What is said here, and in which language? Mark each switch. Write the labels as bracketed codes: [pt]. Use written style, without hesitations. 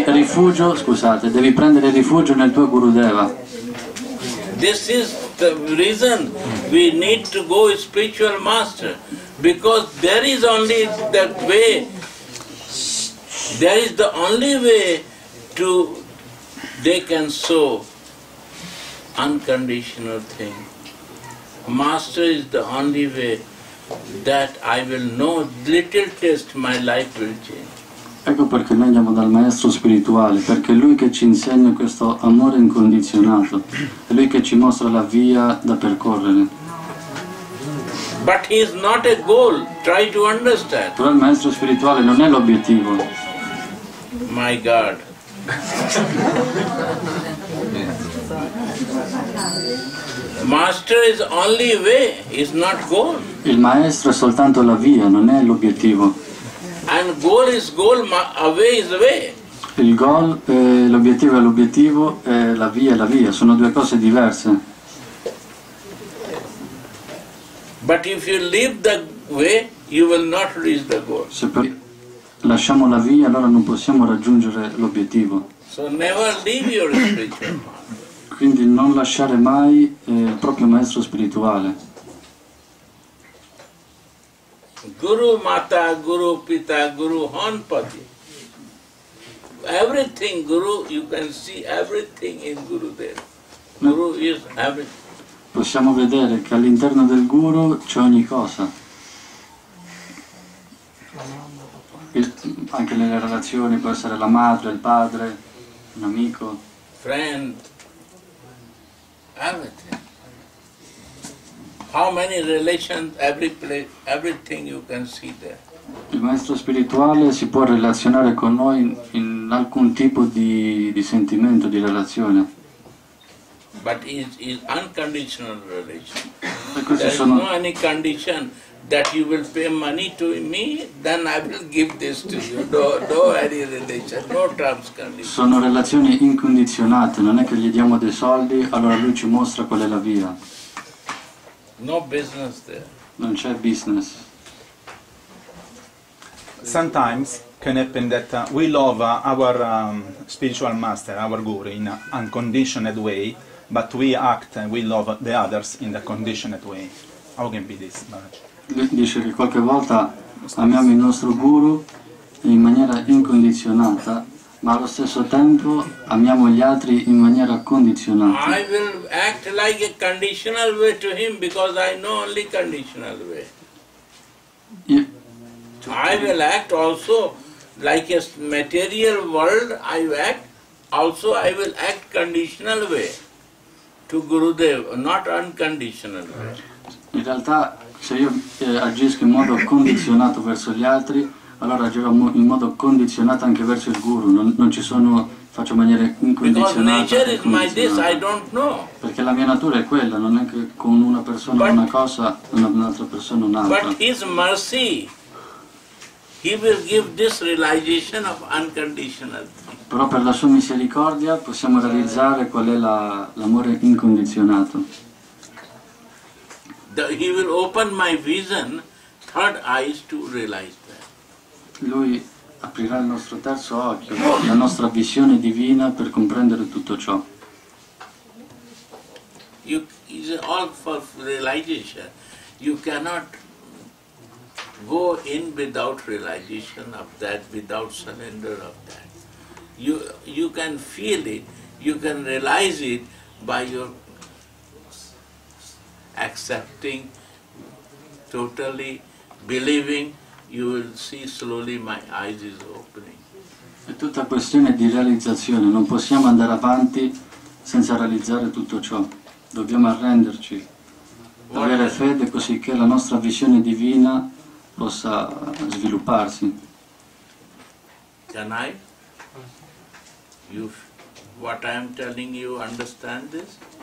[it] Devi prendere rifugio nel tuo Gurudeva. [en] This is the reason we need to go spiritual master, because there is only that way. There is the only way to they can show unconditional thing. Master is the only way that I will know little test my life will change. [it] Ecco perché noi andiamo dal maestro spirituale, perché è lui che ci insegna questo amore incondizionato, è lui che ci mostra la via da percorrere. [en] But he is not a goal, try to understand. [it] Però il maestro spirituale non è l'obiettivo. [en] My God. Master is only way, is not goal. [it] Il maestro è soltanto la via, non è l'obiettivo. [en] And goal is goal, away is way. [it] Il goal, l'obiettivo è l'obiettivo, la via è la via, sono due cose diverse. [en] But if you leave the way, you will not reach the goal. [it] Se poi lasciamo la via, allora non possiamo raggiungere l'obiettivo. [en] So never leave your spiritual. [it] Quindi non lasciare mai il proprio maestro spirituale. [hi] Guru Mata, Guru Pita, Guru Honpati. [en] everything Guru, you can see everything in Gurudev. Guru is everything. [it] Possiamo vedere che all'interno del Guru c'è ogni cosa. Anche le relazioni, può essere la madre, il padre, un amico. [en] Friend. Everything. How many relations, every place, everything you can see there. [it] Il maestro spirituale si può relazionare con noi in alcun tipo di sentimento, di relazione. [en] But it's unconditional relation. There is no any condition that you will pay money to me, then I will give this to you. No any relation, no terms condition. [it] Sono relazioni incondizionate, non è che gli diamo dei soldi, allora lui ci mostra qual è la via. [en] No business there. [it] Non c'è business. [en] Sometimes can happen that we love our spiritual master, our guru, in an unconditioned way, but we act and we love the others in the conditioned way. How can be this, Maharaj? [it] Dice che qualche volta amiamo il nostro guru in maniera incondizionata, ma allo stesso tempo amiamo gli altri in maniera condizionata. [en] I will act like a conditional way to him because I know only conditional way. I will act also like a material world, I act also, I will act conditional way to Gurudev, not unconditional way. [it] In realtà, se io agisco in modo condizionato verso gli altri, allora agirò in modo condizionato anche verso il Guru, non ci sono, faccio in maniera incondizionata. [en] Because nature is my this, I don't know. [it] Perché la mia natura è quella, non è che con una persona una cosa, un'altra persona un'altra. [en] But His mercy. He will give this realization of unconditional thing. [it] Però per la sua misericordia possiamo realizzare qual è l'amore incondizionato. [en] He will open my vision, third eyes to realize that. [it] Lui aprirà il nostro terzo occhio, la nostra visione divina per comprendere tutto ciò. [en] You is all for realization. You cannot go in without realization of that, without surrender of that. You can feel it, you can realize it by your accepting, totally believing, you will see slowly my eyes is opening. [it] È tutta questione di realizzazione, non possiamo andare avanti senza realizzare tutto ciò. Dobbiamo arrenderci, avere fede così che la nostra visione divina possa svilupparsi. [en] Can I? You, what I am telling you, understand this?